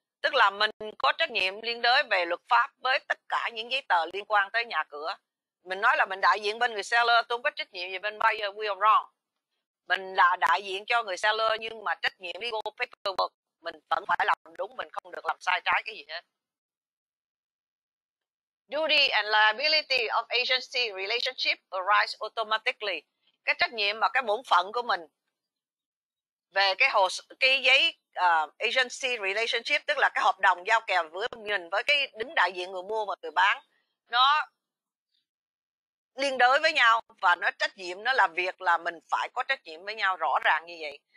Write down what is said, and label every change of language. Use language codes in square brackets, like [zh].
[vi] Tức là mình có trách nhiệm liên đới về luật pháp với tất cả những giấy tờ liên quan tới nhà cửa. Mình nói là mình đại diện bên người seller, tôi không có trách nhiệm gì bên buyer, [en] we are wrong. [vi] Mình là đại diện cho người seller nhưng mà trách nhiệm [en] legal paperwork [vi] mình vẫn phải làm đúng, mình không được làm sai trái cái gì hết. [en] Duty and liability of agency relationship arise automatically. [vi] Cái trách nhiệm và cái bổn phận của mình về cái giấy [en] agency relationship, [vi] tức là cái hợp đồng giao kèo với mình với cái đứng đại diện người mua và người bán, nó liên đới với nhau và nó trách nhiệm, nó làm việc là mình phải có trách nhiệm với nhau rõ ràng như vậy.